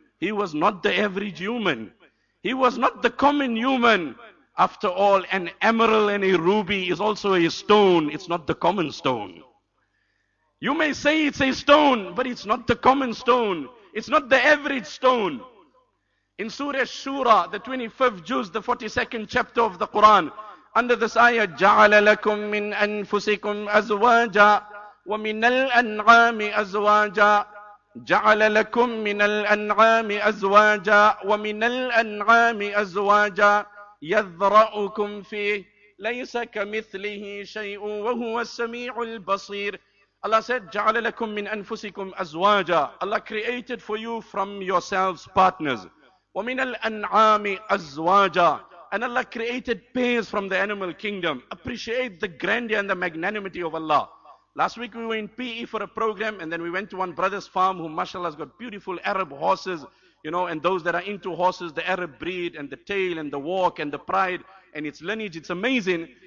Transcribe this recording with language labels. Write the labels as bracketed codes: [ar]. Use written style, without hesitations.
[en] He was not the average human. He was not the common human. After all, an emerald and a ruby is also a stone. It's not the common stone. You may say it's a stone, but it's not the common stone. It's not the average stone. In Surah Shura, the 25th juz, the 42nd chapter of the Quran, under this ayah, [ar] جَعَلَ لَكُم مِّنْ أَنفُسِكُمْ أَزْوَاجًا وَمِنَ الْأَنْعَامِ أَزْوَاجًا جَعَلَ لَكُم مِّنَ الْأَنْعَامِ أَزْوَاجًا وَمِنَ الْأَنْعَامِ أَزْوَاجًا يَذْرَأُكُمْ فِيهِ لَيْسَ كَمِثْلِهِ شَيْءٌ وَهُوَ السَّمِيعُ الْبَصِيرُ. [en] Allah said, [ar] جَعَلَ لَكُم مِّنْ أَنفُسِكُمْ أَزْوَاجًا. [en] Allah created for you from yourselves partners. [ar] وَمِنَ الْأَنْعَامِ أَزْوَاجًا. [en] And Allah created pairs from the animal kingdom. Appreciate the grandeur and the magnanimity of Allah. Last week we were in PE for a program and then we went to one brother's farm who, mashallah, has got beautiful Arab horses, you know, and those that are into horses, the Arab breed and the tail and the walk and the pride and its lineage, it's amazing.